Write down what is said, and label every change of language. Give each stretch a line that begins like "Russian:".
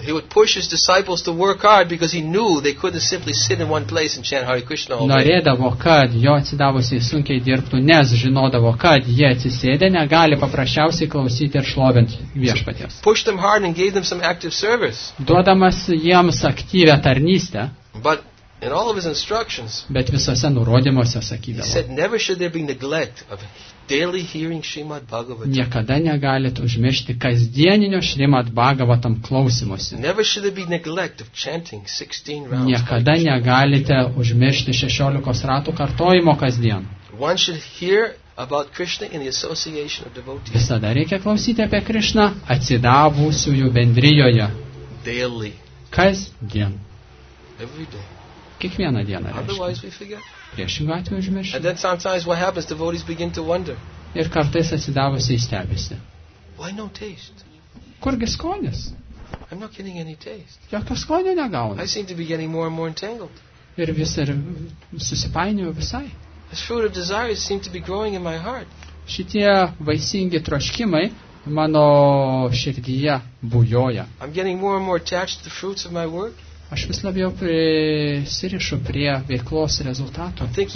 English: He would push his disciples to work hard because he knew they couldn't simply sit in one place and chant Hare Krishna all day.
Lithuanian: Norėdavo, kad jo atsidavusiai sunkiai dirbtų, nes žinodavo, kad jie atsisėdę negali paprasčiausiai klausyti ir šlovinti Viešpaties.
English: Push them hard and gave them some active service.
Lithuanian: Duodamas jiems aktyvią tarnystę.
English: But in all of his instructions,
Lithuanian: bet visose nurodymuose sakydavo,
English: he said never should there be neglect of daily hearing Srimad Bhagavatam.
Lithuanian: Niekada negalit užmiršti kasdieninio Srimad Bhagavatam klausymosi.
English: Never should there be neglect of chanting 16 rounds.
Lithuanian: Niekada negalite užmiršti 16 ratų kartojimo kasdien.
English: One should hear about Krishna in the association of devotees.
Lithuanian: Visada reikia klausyti apie Krishna atsidavusiųjų bendrijoje.
English: Daily.
Lithuanian: Kasdien.
English: Every day.
Lithuanian: Kiekvieną dieną. Priešingu atveju užmiršti. Ir kartais atsidavusiai stebisi.
English: Why no taste?
Lithuanian: Kurgi skonis?
English: I'm not getting any taste.
Lithuanian: Jokio skonio negauna.
English: I seem to be getting more and more entangled.
Lithuanian: Ir vis ir susipainioju visai.
English: This fruit of desires seem to be growing in my heart.
Lithuanian: Šitie vaisingi troškimai mano širdyje bujoja.
English: I'm getting more and more attached to the fruits of my work.
Lithuanian: Aš vis labiau prisirišu prie veiklos rezultato.